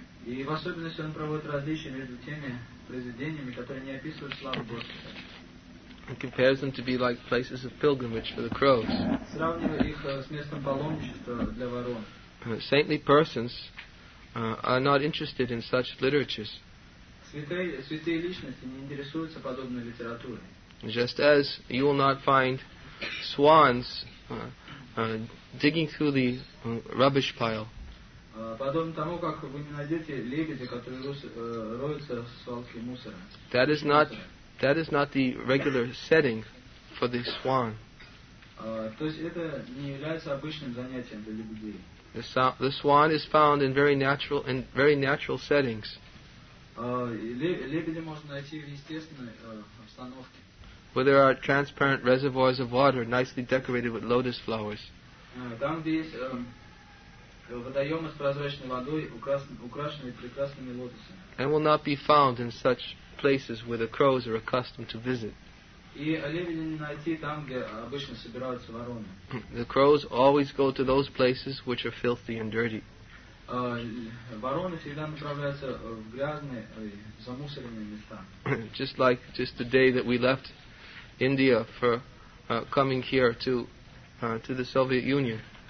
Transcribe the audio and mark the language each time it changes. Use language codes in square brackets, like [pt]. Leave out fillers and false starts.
[ru] И в особенности он проводит различия между теми произведениями, которые не описывают славу Господа. [en] He compares them to be like places of pilgrimage for the crows. [ru] Сравнивая их с местом паломничества для ворон. [en] Saintly persons are not interested in such literatures. [ru] Святые личности не интересуются подобной литературой. [en] Just as you will not find swans digging through the rubbish pile. [ru] Подобно тому, как вы не найдете лебедя, который роется в свалке мусора. [en] That is not the regular setting for the swan. [ru] То есть это не является обычным занятием для лебедей. [en] The swan is found in very natural settings. [ru] Лебедя можно найти в естественной обстановке. [en] Where there are transparent reservoirs of water nicely decorated with lotus flowers. [ru] Там, где есть водоемы с прозрачной водой, украшенные прекрасными лотосами. [en] And will not be found in such places where the crows are accustomed to visit. [ru] И лебедя не найти там, где обычно собираются вороны. [en] The crows always go to those places which are filthy and dirty. [ru] Вороны всегда направляются в грязные, замусоренные места. [en] Just like just the day that we left India for coming here to the Soviet Union.